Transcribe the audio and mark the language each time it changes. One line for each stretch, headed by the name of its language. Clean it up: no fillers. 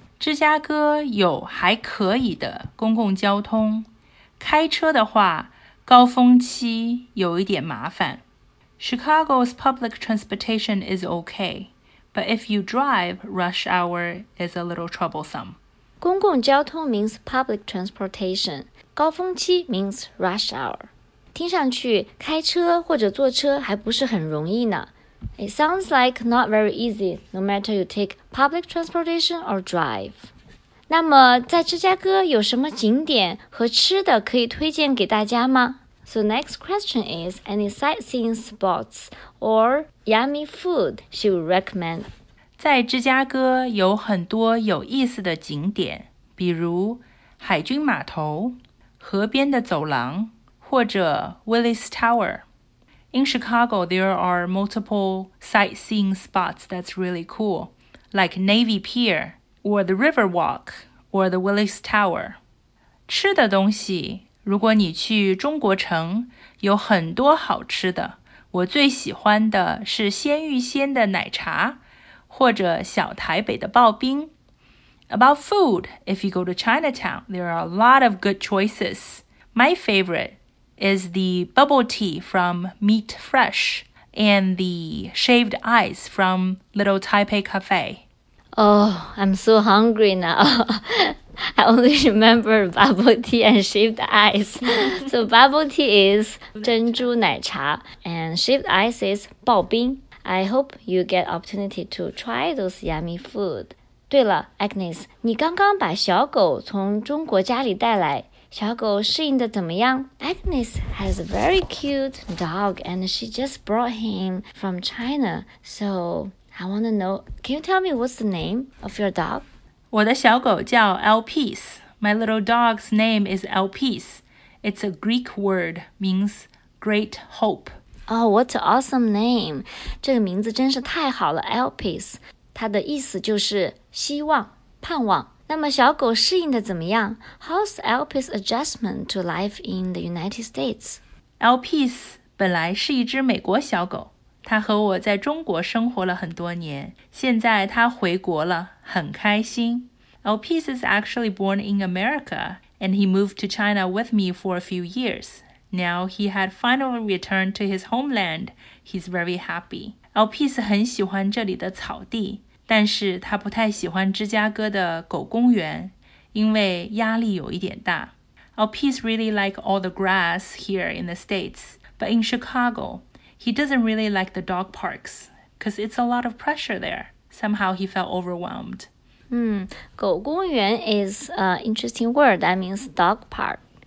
Chinese: 芝加哥有还可以的公共交通。开车的话，高峰期有一点麻烦。
English: Chicago's public transportation is okay, but if you drive, rush hour is a little troublesome. 公共交通 means public transportation, 高峰期 means rush hour.
Chinese: 听上去开车或者坐车还不是很容易呢。
English: It sounds like not very easy, no matter you take public transportation or drive.
Chinese: 那么在芝加哥有什么景点和吃的可以推荐给大家吗？
English: So next question is, any sightseeing spots or yummy food she would recommend?
Chinese: 在芝加哥有很多有意思的景点，比如海军码头、河边的走廊，或者 Willis Tower.
English: In Chicago, there are multiple sightseeing spots that's really cool, like Navy Pier, or the Riverwalk, or the Willis Tower.
Chinese: 吃的东西，如果你去中国城，有很多好吃的。我最喜欢的是鲜芋仙的奶茶，或者小台北的刨冰。
English: About food, if you go to Chinatown, there are a lot of good choices. My favorite is the bubble tea from Meat Fresh and the shaved ice from Little Taipei Cafe. Oh, I'm so hungry now. I only remember bubble tea and shaved ice. So bubble tea is 珍珠奶茶 and shaved ice is 刨冰. I hope you get opportunity to try those yummy food.
Chinese: 对了 Agnes, 你刚刚把小狗从中国家里带来小狗适应的怎么样?
English: Agnes has a very cute dog and she just brought him from China. So I want to know, can you tell me what's the name of your dog?
Chinese: 我的小狗叫
English: Elpis. My little dog's name is Elpis. It's a Greek word, means great hope. Oh, what an awesome name.
Chinese: 这个名字真是太好了
English: Elpis.
Chinese: 它的意思就是希望、盼望。那么小狗适应的怎么样?
English: How's Elpis' adjustment to life in the United States?
Chinese: Elpis 本来是一只美国小狗，它和我在中国生活了很多年，现在它回国了，很开心。
English: Elpis is actually born in America, and he moved to China with me for a few years. Now he had finally returned to his homeland. He's very happy.
Chinese: Elpis 很喜欢这里的草地。但是他不太喜欢芝加哥的狗公园，因为压力有一点大。
English: Alpice really like all the grass here in the States, but in Chicago, he doesn't really like the dog parks, because it's a lot of pressure there. Somehow he felt overwhelmed. 狗公园 is an interesting word, that means dog park.